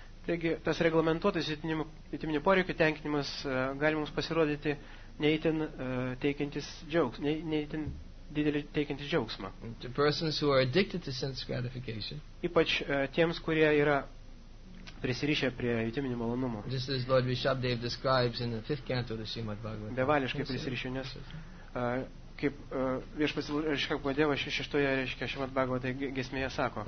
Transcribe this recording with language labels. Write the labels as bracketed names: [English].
[Lithuanian] Taigi, tas reglamentuotas jutiminių poreikių tenkinimas gali mums pasirodyti neįtin teikiantis džiaugsmą, neįtin didelį teikiantis džiaugsmą. [English] To persons who are addicted to sense gratification. [Lithuanian] Ypač tiems, kurie yra prisirišę prie jutiminių malonumų. [English] This is Lord Rishabdev describes in the fifth canto of the Srimad Bhagavatam. [Lithuanian] Bevališkai prisirišę, nes kaip viešpats Rishabdev šeštoje, reiškia, Srimad Bhagavatam giesmėje sako.